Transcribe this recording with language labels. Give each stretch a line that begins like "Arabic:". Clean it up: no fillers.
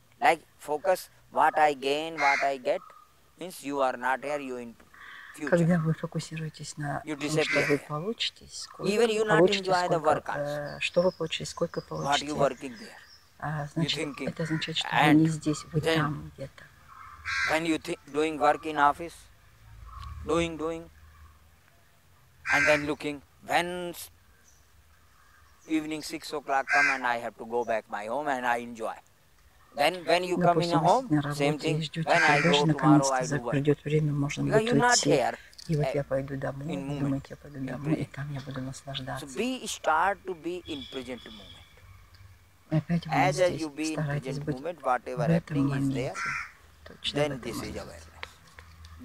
English: Like focus what I gain, what I get means you are not here. You in
Russian: когда вы фокусируетесь на том, что вы получите, что вы получите, сколько получите, значит, это означает, что вы не здесь, вы там где-то.
English: When you think doing work in office, doing, and then looking, when evening 6 o'clock come and I have to go back my home and I enjoy. Then when you come in home, same thing. When I go tomorrow, I do work.
Russian: Придет время, можно будет уйти. И вот я пойду домой. Думаете, я пойду домой, и там я буду наслаждаться.
English: So be start to be in present moment. As you be in present moment, whatever happening is there, then this is awareness.